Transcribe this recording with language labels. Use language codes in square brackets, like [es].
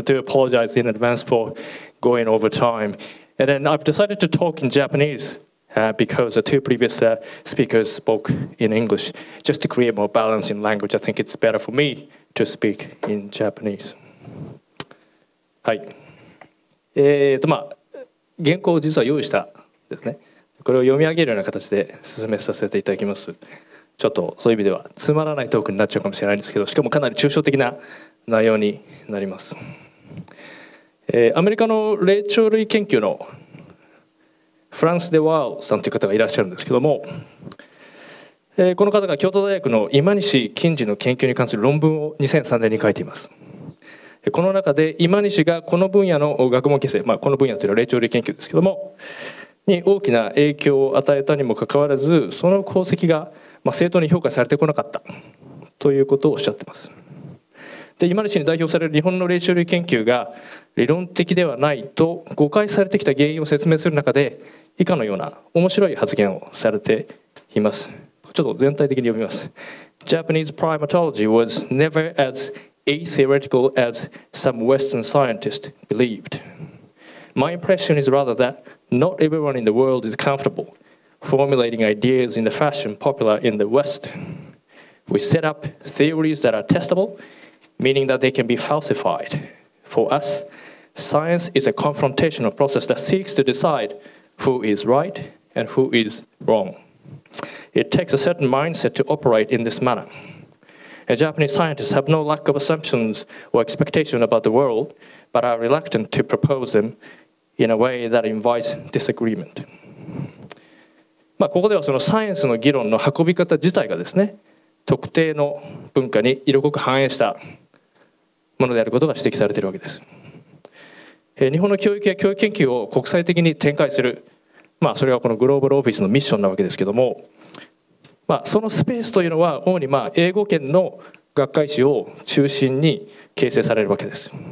[en] So I do apologize in advance for going over time. And then I've decided to talk in Japanese because the two previous speakers spoke in English. Just to create more balance in language, I think it's better for me to speak in Japanese. [ja] はい。まあ、原稿を実は用意したですね。これを読み上げるような形で進めさせていただきます。ちょっとそういう意味ではつまらないトークになっちゃうかもしれないんですけど、しかもかなり抽象的な内容になります。アメリカの霊長類研究のフランス・デ・ワールさんという方がいらっしゃるんですけども、この方が京都大学の今西欣二の研究に関する論文を2003年に書いています。この中で今西がこの分野の学問形成、まあ、この分野というのは霊長類研究ですけども、に大きな影響を与えたにもかかわらず、その功績が正当に評価されてこなかったということをおっしゃっています。で、今西に代表される日本の霊長類研究が理論的ではないと誤解されてきた原因を説明する中で、以下のような面白い発言をされています。ちょっと全体的に読みます。 [en] Japanese primatology was never as atheoretical as some Western scientists believed. My impression is rather that not everyone in the world is comfortableformulating ideas in the fashion popular in the West. We set up theories that are testable, meaning that they can be falsified. For us, science is a confrontational process that seeks to decide who is right and who is wrong. It takes a certain mindset to operate in this manner. And Japanese scientists have no lack of assumptions or expectations about the world, but are reluctant to propose them in a way that invites disagreement. [ja] まあ、ここではそのサイエンスの議論の運び方自体がですね、特定の文化に色濃く反映したものであることが指摘されているわけです。日本の教育や教育研究を国際的に展開する、まあ、それがこのグローバルオフィスのミッションなわけですけども、まあ、そのスペースというのは主にまあ英語圏の学会誌を中心に形成されるわけです。